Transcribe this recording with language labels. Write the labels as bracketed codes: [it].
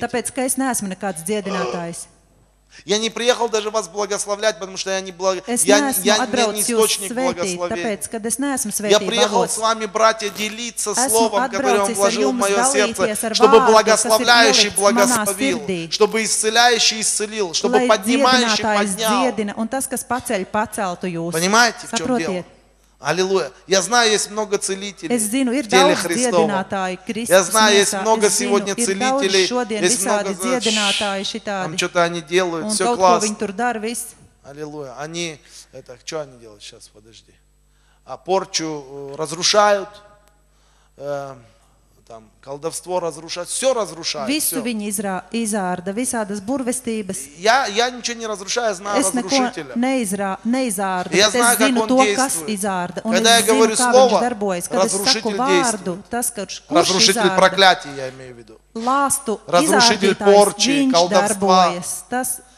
[lv] Tāpēc, ka es neesmu nekāds dziedinātājs. [ru] Я не приехал даже вас благословлять, потому что я не я не источник благословения. Я приехал с вами, братья, делиться словом, которое он вложил в мое сердце, чтобы благословляющий благословил, чтобы исцеляющий исцелил, чтобы поднимающий поднял. Понимаете, в чем дело? Аллилуйя. Я знаю, есть много целителей в теле Христовом. Я знаю, есть много сегодня целителей. Есть много, там что-то они делают, все классно. Аллилуйя. Они, это, что они делают сейчас, подожди. А порчу разрушают, там, колдовство разрушают, все разрушают. [lv] Visu viņi izārda, visādas burvestības. [ru] Я ничего не разрушаю, я знаю разрушителя. Я знаю, как он действует. [lv] Kas izārda, [ru] un когда я говорю слово, разрушитель действует. Разрушитель проклятия, я имею в виду. Ласту, разрушитель порчи, колдовства. [lv] Tas,